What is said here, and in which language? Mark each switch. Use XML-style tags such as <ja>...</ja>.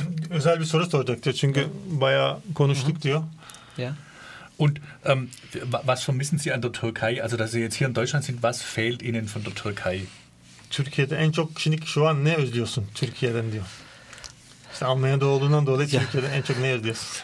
<tr>Özel bir soru soracaktı çünkü bayağı konuştuk diyor.</tr> <de>Ja. Und was vermissen Sie an der Türkei? Also dass Sie jetzt hier in Deutschland sind, was fehlt Ihnen von der Türkei?</de> <tr>Türkiye'de en çok şimdi şu an ne özlüyorsun Türkiye'den diyor. İşte Almanya'da olduğundan dolayı Türkiye'de en çok ne ediyorsun?</tr>